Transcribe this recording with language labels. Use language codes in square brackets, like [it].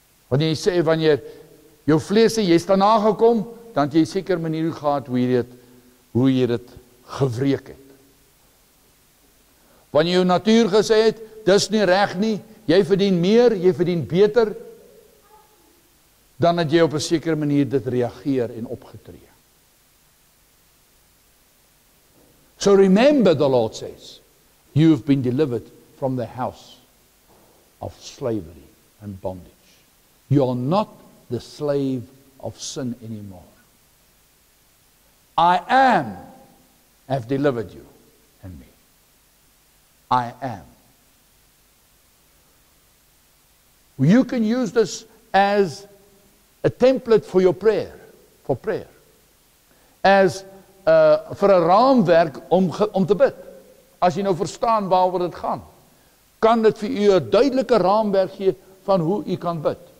[af] Wanneer jy sê, wanneer jou vlees sê, jy is daarna gekom, dan jy seker manier gehad hoe jy dit gewreek het. Wanneer jou natuur gesê het, dis nie reg nie, jy verdien meer, jy verdien beter, dan het jy op 'n sekere manier dit reageer en opgetree. [en] So remember, the Lord says, you've been delivered from the house of slavery and bondage. You are not the slave of sin anymore. I am, have delivered you and me. I am. You can use this as a template for your prayer, for prayer. [af] As vir 'n raamwerk om te bid. As jy nou verstaan waaroor dit gaan, kan dit vir u 'n duidelike raamwerk gee van hoe u kan bid.